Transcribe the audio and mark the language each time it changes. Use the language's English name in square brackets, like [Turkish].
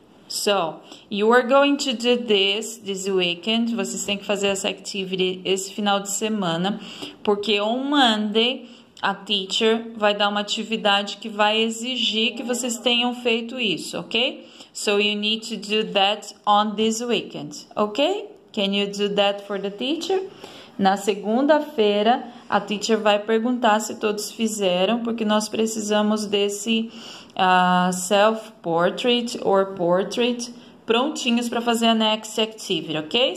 [English] So, you are going to do this weekend. [Portuguese] Vocês têm que fazer essa activity esse final de semana, porque [English] on Monday [Portuguese] a teacher vai dar uma atividade que vai exigir que vocês tenham feito isso, ok? [English] So, you need to do that on this weekend, ok? Can you do that for the teacher? [Portuguese] Na segunda-feira, a teacher vai perguntar se todos fizeram, porque nós precisamos desse self-portrait [English] or portrait [Portuguese] prontinhos para fazer a [English] next activity, [Portuguese] ok?